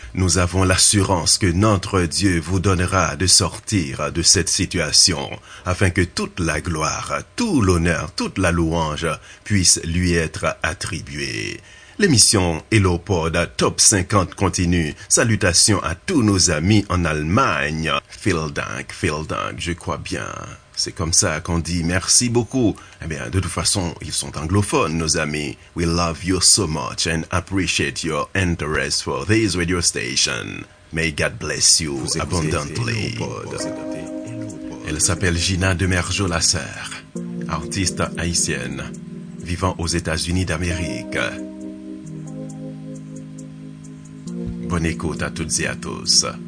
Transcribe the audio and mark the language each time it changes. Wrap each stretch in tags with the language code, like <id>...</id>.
<fr>Nous avons l'assurance que notre Dieu vous donnera de sortir de cette situation, afin que toute la gloire, tout l'honneur, toute la louange puisse lui être attribuée. L'émission HelloPod Top 50 continue. Salutations à tous nos amis en Allemagne.</fr> <de>Vielen Dank,</de> <fr>je crois bien. C'est comme ça qu'on dit merci beaucoup. Eh bien, de toute façon, ils sont anglophones, nos amis.</fr> <en>We love you so much and appreciate your interest for this radio station. May God bless you abundantly.</en> <fr>Elle s'appelle Gina de Merjolasser, artiste haïtienne, vivant aux États-Unis d'Amérique. bonne écoute à toutes et à tous.</fr>